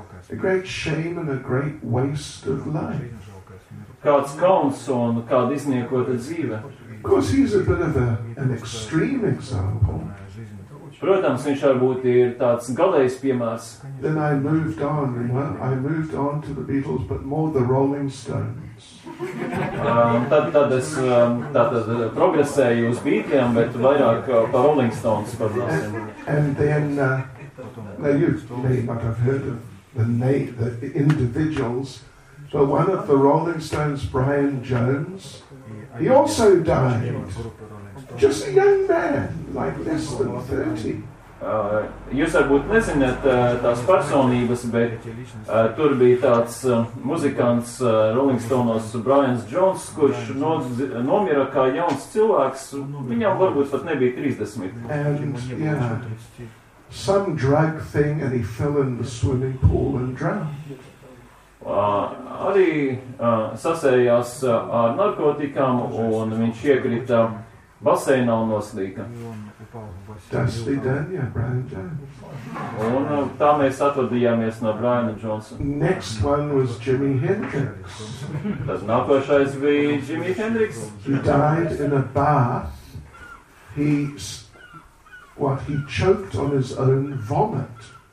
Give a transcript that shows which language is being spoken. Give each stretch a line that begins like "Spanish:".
English: A great shame and a great waste of life.
Latvian: Kāds kauns un kāda izniekota dzīve.
English: Of course, he's a bit of an extreme example.
Latvian: Protams, viņš varbūt ir tāds galējs piemērs.
English: Then I moved on, you know? I moved on to the Beatles, but more the Rolling Stones.
Latvian: Tad es progresēju uz Beatles, bet vairāk par Rolling Stones.
English: And then, you may not have heard of the individuals, but one of the Rolling Stones, Brian Jones, he also died. Just a young man, like less than 30.
Latvian: Jūs varbūt nezināt tās personības, bet tur bija tāds muzikants Rolling Stones, Brian Jones, kurš nomira kā jauns cilvēks. Viņam varbūt pat nebija 30.
English: Some drug thing and he fell in the swimming pool and drowned.
Latvian: Arī sasējās ar narkotikām un viņš iekrita baseinā un noslīka.
English: Dusty Daniel, Brian Jones.
Latvian: Un tā mēs atvadījāmies no Briana Jonesa.
English: Next one was Jimi Hendrix.
Latvian: Tas nākošais bija Jimi Hendrix.
English: He died in a bath. He choked on his own vomit.